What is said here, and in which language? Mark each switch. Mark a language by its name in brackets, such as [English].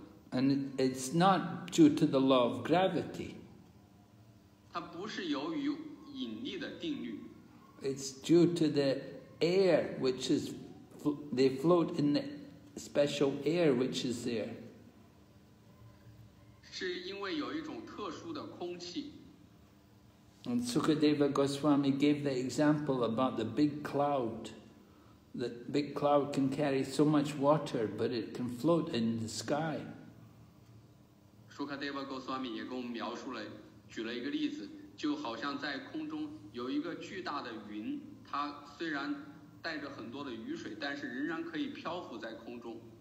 [English] And it's not due to the law of gravity. [Chinese] 它不是由于引力的定律。 [English] It's due to the air which is, they float in the special air which is there. [Chinese] 是因为有一种特殊的空气。 [English] And Sukadeva Goswami gave the example about the big cloud. The big cloud can carry so much water, but it can float in the sky. [Chinese] Sukadeva Goswami 也给我们描述了，举了一个例子，就好像在空中有一个巨大的云，它虽然带着很多的雨水，但是仍然可以漂浮在空中。